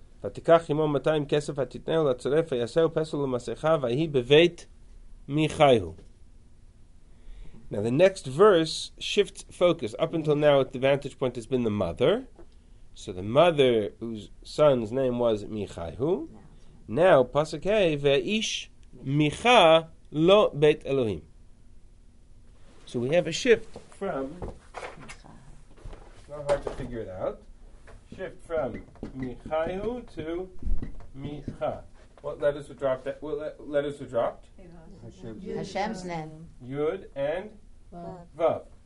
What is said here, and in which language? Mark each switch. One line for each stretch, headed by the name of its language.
Hebrew: ותיקח עמו 200 כסף ותתנהו לצרף ויעשהו פסל למסכה והיא בבית מיכהו.
English: Now the next verse shifts focus. Up until now the vantage point has been the mother. So the mother whose son's name was מיכהו.
Hebrew: Now פסק ה' ואיש מיכה לא בית אלוהים.
English: So we have a shift from, not hard to figure it out. Shift from Michayu to Micha. What letters were dropped? Hashem's name. Yud and Vav.